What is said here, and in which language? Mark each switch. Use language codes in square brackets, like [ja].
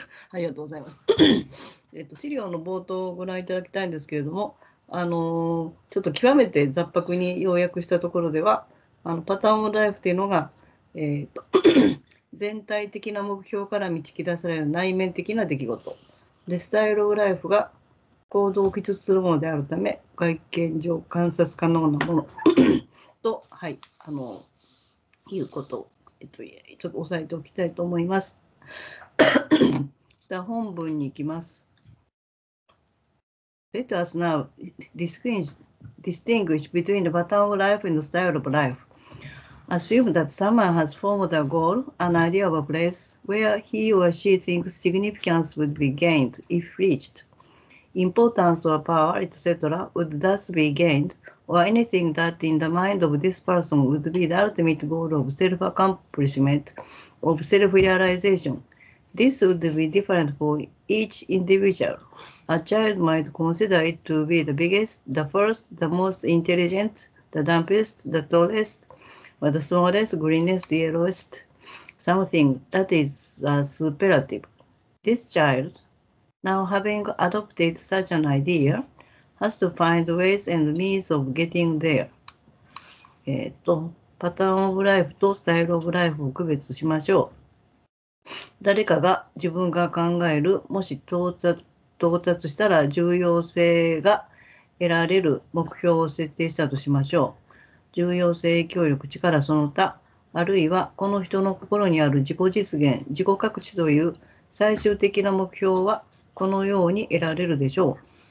[ja] ありがとうございます。資料の冒頭をご覧いただきたいんですけれども、ちょっと極めて雑白に要約したところでは、パターンオブライフというのが、全体的な目標から導き出される内面的な出来事で、スタイルオブライフが行動を記述するものであるため外見上観察可能なものと、はい、いうことを、ちょっと押さえておきたいと思います。じゃあ本文に行きます。 [en] Let us now distinguish between the pattern of life and the style of life. Assume that someone has formed a goal, an idea of a place where he or she thinks significance would be gained if reached. Importance or power, etc. would thus be gained, or anything that in the mind of this person would be the ultimate goal of self-accomplishment, of self-realization. This would be different for each individual. A child might consider it to be the biggest, the first, the most intelligent, the dumbest, the tallest, or the smallest, greenest, yellowest, something that is superlative. This child, now having adopted such an idea, has to find ways and means of getting there. [ja] パターンオブライフとスタイルオブライフを区別しましょう。誰かが自分が考える、もし到達したら重要性が得られる目標を設定したとしましょう。重要性、協力、力その他、あるいはこの人の心にある自己実現、自己確知という最終的な目標はこのように得られるでしょう。